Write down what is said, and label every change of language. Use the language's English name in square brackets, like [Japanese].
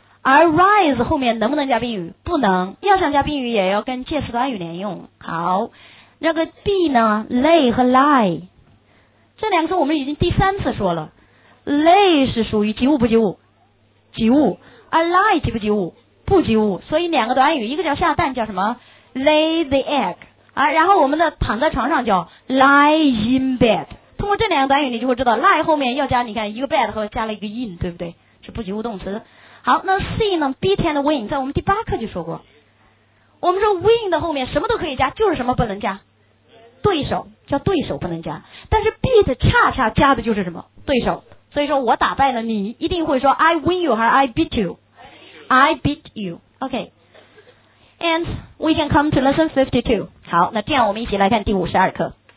[Chinese] 而 rise 后面能不能加宾语？不能。要想加宾语也要跟介词短语连用。好，那个 b 呢， lay 和 lie， 这两个词我们已经第三次说了， lay 是属于及物不及物？及物。而 lie 及不及物？不及物。所以两个短语，一个叫下蛋，叫什么？ [English] lay the egg， [Chinese] 然后我们的躺在床上叫 [English] lie in bed。 [Chinese] 通过这两个短语你就会知道 lie 后面要加，你看一个 bed 和加了一个 in， 对不对？是不及物动词。好，那 C 呢， beat and win， 在我们第八课就说过，我们说 win 的后面什么都可以加，就是什么不能加？对手，叫对手不能加。但是 beat 恰恰加的就是什么？对手。所以说我打败了你，一定会说 [English] I win you [Chinese] 还是 [English] I beat you？ I beat you。 OK， and we can come to lesson 52。 [Chinese] 好，那这样我们一起来看第52课。